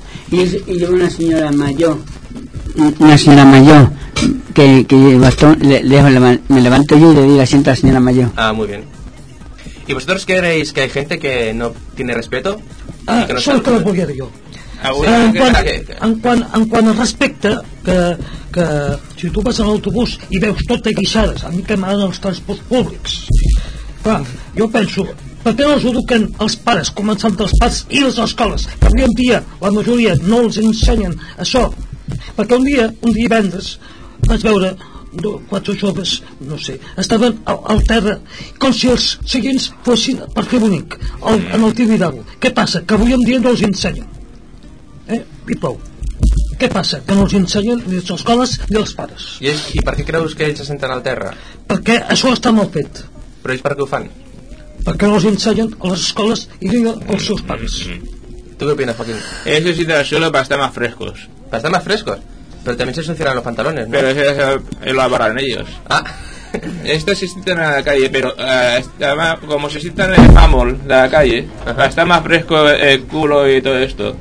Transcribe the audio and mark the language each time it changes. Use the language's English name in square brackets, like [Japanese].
[Spanish] Y yo una señora mayor, una señora mayor, que el bastón, me levanto yo y le digo asiento a la señora mayor. Ah, muy bien. ¿Y vosotros creéis que hay gente que no tiene respeto? Ah, eso es lo que voy a decir yo. [Catalan] En quant al respecte, que si tu vas a l'autobús i veus tot de guixades, a mi que m'agraden els transports públics. Clar, jo penso... Per què no els eduquen els pares, començant dels pares i les escoles? Que avui en dia la majoria no els ensenyen això. Perquè un dia divendres, vaig veure quatre joves, no sé, estaven al terra, com si els seguins fossin per fer bonic, en el Tibidabo. Què passa? Que avui en dia no els ensenyen. I prou. Què passa? Que no els ensenyen ni les escoles ni els pares. I per què creus que ells se senten al terra? Perquè això està mal fet. Però ells per què ho fan? Perquè no els ensenyen a les escoles i diuen als seus pares. Tu què opines, Joaquín? [Spanish] Eso sí, de la suela para estar más frescos. ¿Para estar más frescos? Pero también se ensucian los pantalones, ¿no? Pero eso se lo abarran ellos. Ah. Estos se sientan en la calle, pero como se sientan en el mamol de la calle, para estar más fresco el culo y todo esto.